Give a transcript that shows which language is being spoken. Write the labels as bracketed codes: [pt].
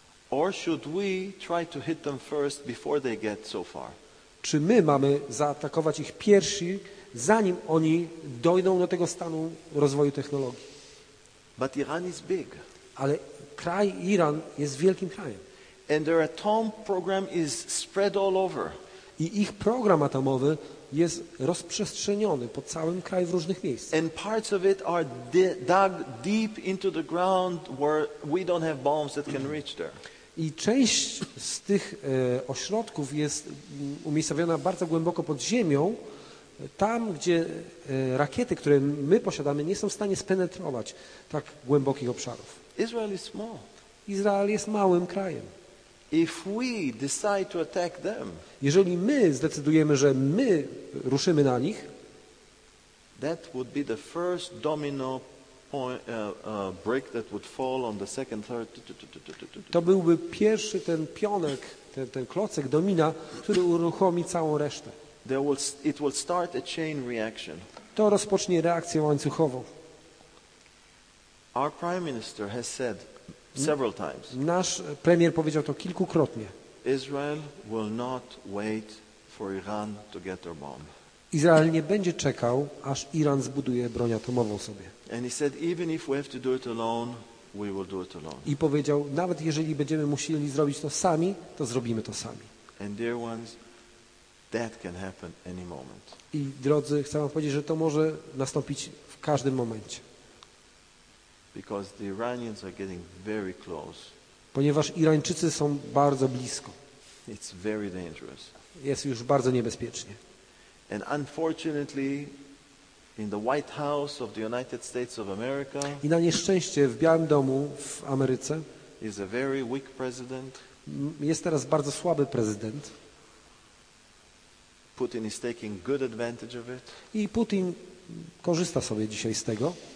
[en] Or should we try to hit them first before they get so far? [pl] Czy my mamy zaatakować ich pierwsi, zanim oni dojdą do tego stanu rozwoju technologii? [en] But Iran is big. [pl] Ale kraj Iran jest wielkim krajem. [en] And their atom program is spread all over. [pl] I ich program atomowy jest rozprzestrzeniony po całym kraju w różnych miejscach. [en] And parts of it are dug deep into the ground where we don't have bombs that can reach there. [pl] I część z tych ośrodków jest umiejscowiona bardzo głęboko pod ziemią, tam gdzie rakiety, które my posiadamy, nie są w stanie spenetrować tak głębokich obszarów. [en] Israel is small. [pl] Izrael jest małym krajem. [en] If we decide to attack them, [pl] jeżeli my zdecydujemy, że my ruszymy na nich, [en] that would be the first domino point, brick that would fall on the second, third. [pl] To byłby pierwszy ten pionek, ten klocek domina, który uruchomi całą resztę. [en] It will start a chain reaction. [pl] To rozpocznie reakcję łańcuchową. [en] Our prime minister has said. Several times. [pl] Nasz premier powiedział to kilkukrotnie. [en] Israel will not wait for Iran to get their bomb. [pl] Izrael nie będzie czekał, aż Iran zbuduje broń atomową sobie. [en] And he said, even if we have to do it alone, we will do it alone. [pl] I powiedział, nawet jeżeli będziemy musieli zrobić to sami, to zrobimy to sami. [en] And dear ones, that can happen any moment. [pl] I drodzy, chcę wam powiedzieć, że to może nastąpić w każdym momencie. [en] Because the Iranians are getting very close. [pl] Ponieważ Irańczycy są bardzo blisko. [en] It's very dangerous. [pl] Jest już bardzo niebezpiecznie. [en] And unfortunately, in the White House of the United States of America. [pl] I na nieszczęście w Białym Domu w Ameryce. [en] Is a very weak president. [pl] Jest teraz bardzo słaby prezydent. [en] Putin is taking good advantage of it. [pl] I Putin korzysta sobie dzisiaj z tego.